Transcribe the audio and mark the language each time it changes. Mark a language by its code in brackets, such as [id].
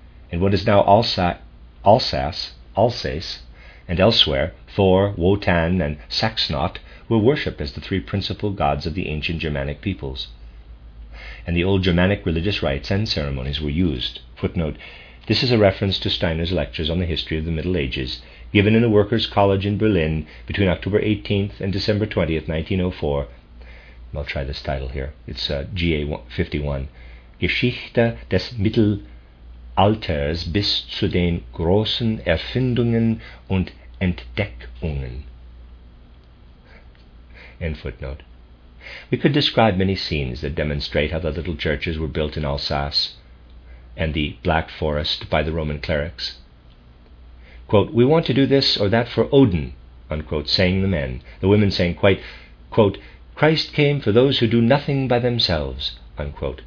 [en] In what is now Alsace, and elsewhere, Thor, Wotan, and Saxnot were worshipped as the three principal gods of the ancient Germanic peoples. And the old Germanic religious rites and ceremonies were used. Footnote: this is a reference to Steiner's lectures on the history of the Middle Ages, given in the Workers' College in Berlin between October 18th and December 20th, 1904. I'll try this title here. It's GA 51. [de] Geschichte des Mittelalters bis zu den großen Erfindungen und Entdeckungen. [en] End footnote. We could describe many scenes that demonstrate how the little churches were built in Alsace and the Black Forest by the Roman clerics. Quote, "We want to do this or that for Odin," unquote, saying the men, the women saying, quite, quote, "Christ came for those who do nothing by themselves," unquote.